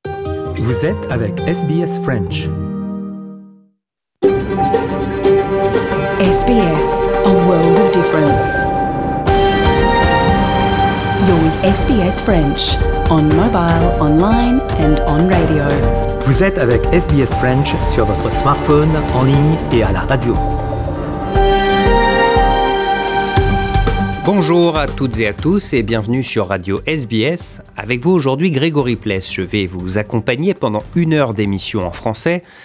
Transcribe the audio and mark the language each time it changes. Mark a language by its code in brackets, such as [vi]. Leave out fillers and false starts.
[fr] Vous êtes avec SBS French. [en] SBS, a world of difference. You're with SBS French, on mobile, online and on radio. [fr] Vous êtes avec SBS French sur votre smartphone, en ligne et à la radio. Bonjour à toutes et à tous et bienvenue sur Radio SBS. Avec vous aujourd'hui, Grégory Pless. Je vais vous accompagner pendant une heure d'émission en français.